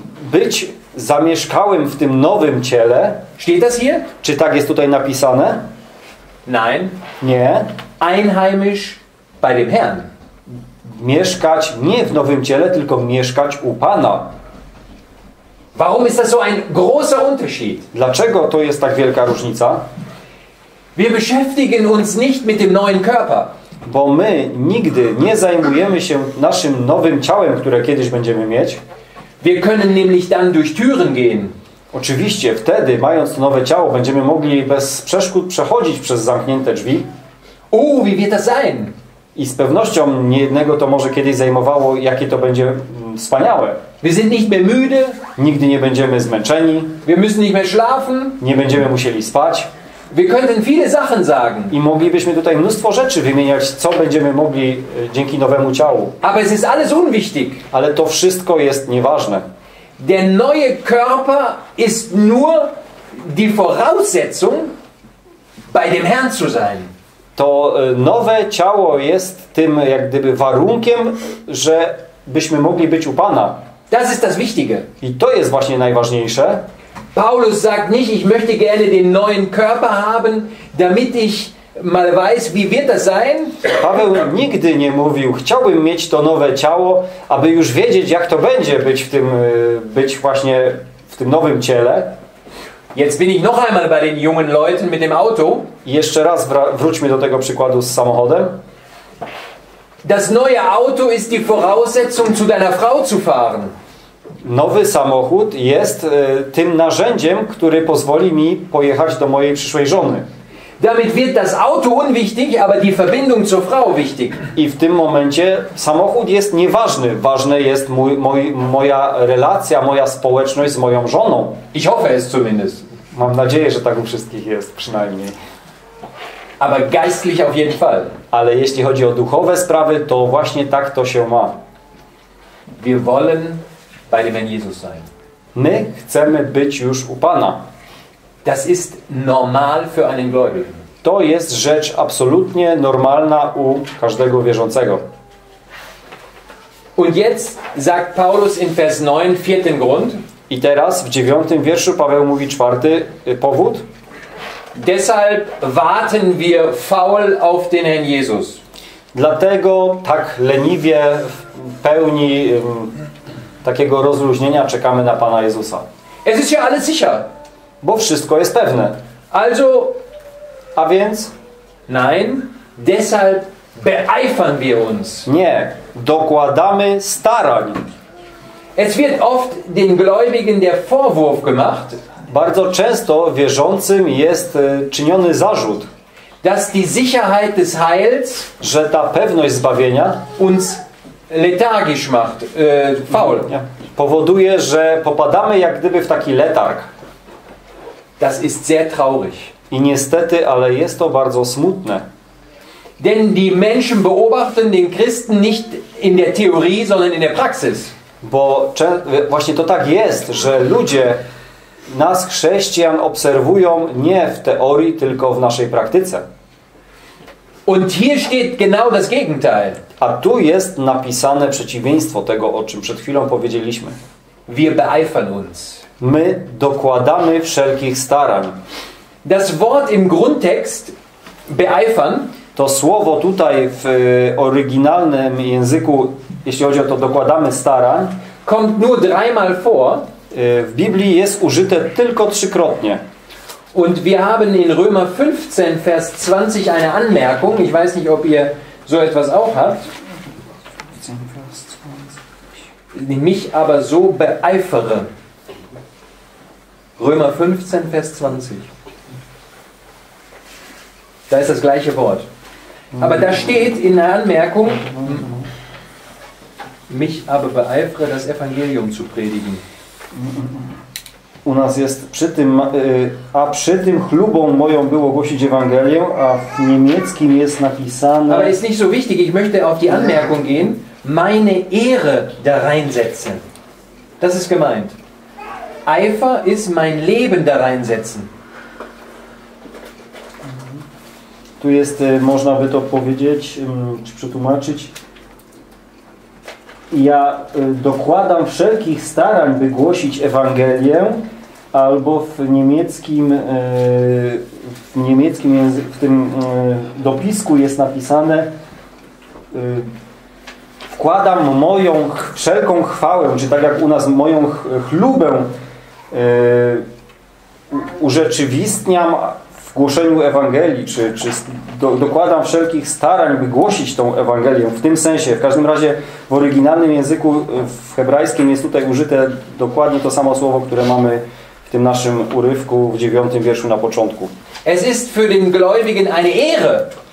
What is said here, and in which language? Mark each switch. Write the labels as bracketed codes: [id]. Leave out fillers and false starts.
[pl] Być zamieszkałym w tym nowym ciele. [de] Steht das hier? [pl] Czy tak jest tutaj napisane? [de] Nein. [pl] Nie. [de] Einheimisch bei dem Herrn. [pl] Mieszkać nie w nowym ciele, tylko mieszkać u Pana. [de] Warum ist das so ein großer Unterschied? [pl] Dlaczego to jest tak wielka różnica? [de] Wir beschäftigen uns nicht mit dem neuen Körper. [pl] Bo my nigdy nie zajmujemy się naszym nowym ciałem, które kiedyś będziemy mieć. [de] Wir können nämlich dann durch Türen gehen. [pl] Oczywiście, wtedy, mając nowe ciało, będziemy mogli bez przeszkód przechodzić przez zamknięte drzwi. [de] Wie wird das sein? [pl] I z pewnością niejednego to może kiedyś zajmowało, jakie to będzie wspaniałe. [de] Wir sind nicht mehr müde. [pl] Nigdy nie będziemy zmęczeni. [de] Wir müssen nicht mehr schlafen. [pl] Nie będziemy musieli spać. [de] Wir könnten viele Sachen sagen. [pl] I moglibyśmy tutaj mnóstwo rzeczy wymieniać, co będziemy mogli dzięki nowemu ciału. [de] Aber es ist alles unwichtig. [pl] Ale to wszystko jest nieważne. [de] Der neue Körper ist nur die Voraussetzung, bei dem Herrn zu sein. [pl] To nowe ciało jest tym, jak gdyby, warunkiem, że byśmy mogli być u Pana. [de] Das ist das Wichtige. [pl] I to jest właśnie najważniejsze. [de] Paulus sagt nicht, ich möchte gerne den neuen Körper haben, damit ich mal weiß, wie wird das sein. [pl] Paweł nigdy nie mówił, chciałbym mieć to nowe ciało, aby już wiedzieć, jak to będzie być właśnie w tym nowym ciele. [de] Jetzt bin ich noch einmal bei den jungen Leuten mit dem Auto. [pl] Jeszcze raz wróćmy do tego przykładu z samochodem. [de] Das neue Auto ist die Voraussetzung, zu deiner Frau zu fahren. [pl] Nowy samochód jest tym narzędziem, który pozwoli mi pojechać do mojej przyszłej żony. [de] Damit wird das Auto unwichtig, aber die Verbindung zur Frau wichtig. [pl] I w tym momencie samochód jest nieważny. Ważne jest moja relacja, moja społeczność z moją żoną. [de] Ich hoffe es zumindest. [pl] Mam nadzieję, że tak u wszystkich jest przynajmniej. [de] Aber geistlich auf jeden Fall. [pl] Ale jeśli chodzi o duchowe sprawy, to właśnie tak to się ma. [de] Wir wollen bei dem Herrn Jesus sein. [pl] My chcemy być już u Pana. [de] Das ist normal für einen Gläubigen. [pl] To jest rzecz absolutnie normalna u każdego wierzącego. [de] Und jetzt sagt Paulus in Vers 9 vierten Grund. [pl] I teraz w 9 wierszu Paweł mówi czwarty powód. [de] Deshalb warten wir faul auf den Herrn Jesus. [pl] Dlatego tak leniwie w pełni takiego rozluźnienia czekamy na Pana Jezusa. [de] Es ist ja alles sicher. [pl] Bo wszystko jest pewne. [de] Also, [pl] a więc? [de] Nein, deshalb beeifern wir uns. [pl] Nie, dokładamy starań. [de] Es wird oft den Gläubigen der Vorwurf gemacht. [pl] Bardzo często wierzącym jest czyniony zarzut, [de] dass die Sicherheit des Heils, [pl] że ta pewność zbawienia [de] uns lethargisch macht, faul. Nie. [pl] Powoduje, że popadamy jak gdyby w taki letarg. [de] Das ist sehr traurig. [pl] I niestety, ale jest to bardzo smutne. [de] Denn die Menschen beobachten den Christen nicht in der Theorie, sondern in der Praxis. [pl] Bo właśnie to tak jest, że ludzie nas, chrześcijan, obserwują nie w teorii, tylko w naszej praktyce. [de] Und hier steht genau das Gegenteil. [pl] A tu jest napisane przeciwieństwo tego, o czym przed chwilą powiedzieliśmy. [de] Wir beeifern uns. [pl] My dokładamy wszelkich starań. [de] Das Wort im Grundtext beeifern. [pl] To słowo tutaj w oryginalnym języku, jeśli chodzi o to, dokładamy starań, [de] kommt nur dreimal vor. [pl] W Biblii jest użyte tylko trzykrotnie. [de] Und wir haben in Römer 15 Vers 20 eine Anmerkung. Ich weiß nicht, ob ihr so etwas auch habt. Mich aber so beeifere. Römer 15 Vers 20. Da ist das gleiche Wort. Aber da steht in der Anmerkung, mich aber beeifere, das Evangelium zu predigen. [pl] U nas jest przy tym, a przy tym chlubą moją było głosić Ewangelię, a w niemieckim jest napisane. [de] Aber ist nicht so wichtig, ich möchte auf die Anmerkung gehen, meine Ehre da reinsetzen. Das ist gemeint. Eifer ist mein Leben da reinsetzen. [pl] Tu jest, można by to powiedzieć, czy przetłumaczyć. Ja dokładam wszelkich starań, by głosić Ewangelię, albo w niemieckim języku, w tym dopisku jest napisane, wkładam moją wszelką chwałę, czy tak jak u nas moją chlubę urzeczywistniam w głoszeniu Ewangelii, dokładam wszelkich starań, by głosić tą Ewangelię w tym sensie. W każdym razie w oryginalnym języku, w hebrajskim, jest tutaj użyte dokładnie to samo słowo, które mamy w tym naszym urywku w 9 wierszu na początku. [de] Es ist für den Gläubigen eine Ehre.